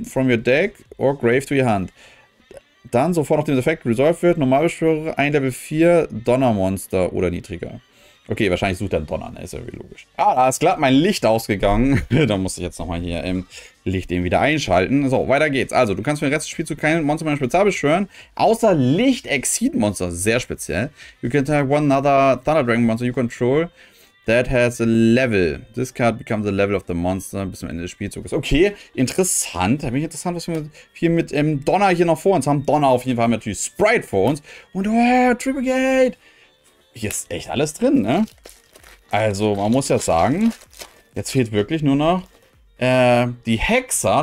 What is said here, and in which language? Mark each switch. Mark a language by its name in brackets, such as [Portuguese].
[English] From your deck or grave to your hand. [German] Dann sofort nach dem Effekt resolved wird, Normalbeschwörer, ein Level 4, Donnermonster oder niedriger. Okay, wahrscheinlich sucht er einen Donner, ne? Ist ja irgendwie logisch. Ah, da ist glatt mein Licht ausgegangen. Da muss ich jetzt nochmal hier im Licht eben wieder einschalten. So, weiter geht's. Also, du kannst für den Rest des Spiels zu keinem Monster mehr spezial beschwören, außer Licht-Exceed-Monster, sehr speziell. [English] You can tag one other Thunder Dragon Monster you control that has a level. This card becomes the level of the monster [German] bis zum Ende des Spielzuges. Okay, interessant. Da bin ich interessant, was wir hier mit Donner hier noch vor uns haben. Donner auf jeden Fall haben wir natürlich Sprite vor uns. Und Triple Gate. Hier ist echt alles drin, ne? Also, man muss ja sagen, jetzt fehlt wirklich nur noch die Hexer.